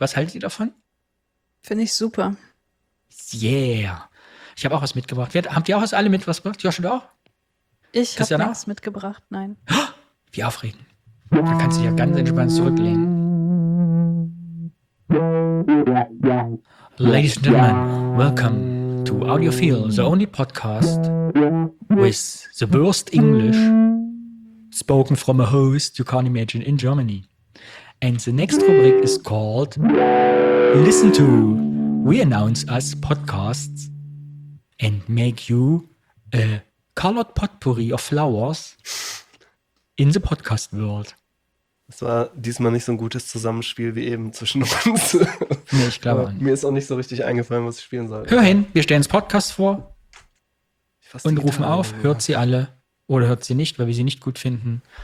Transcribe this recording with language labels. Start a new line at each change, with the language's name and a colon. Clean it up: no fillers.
German: Was haltet ihr davon? Finde ich super. Yeah. Ich habe auch was mitgebracht. Habt ihr auch was alle mit was gebracht? Joshua, du auch? Ich habe nichts mitgebracht, nein. Wie aufregend. Dann kannst du dich ja ganz entspannt zurücklehnen.
English: Ladies and gentlemen, welcome to Audiophile, the only podcast with the worst English spoken from a host you can't imagine in Germany. And the next rubric is called Listen to. We announce us podcasts and make you a colored potpourri of flowers in the podcast world.
German: Das war diesmal nicht so ein gutes Zusammenspiel wie eben zwischen uns. Nee, ich glaube nicht. Mir ist auch nicht so richtig eingefallen, was ich spielen soll. Hör hin, wir stellen das Podcast vor und rufen auf, hört sie alle oder hört sie nicht, weil wir sie nicht gut finden.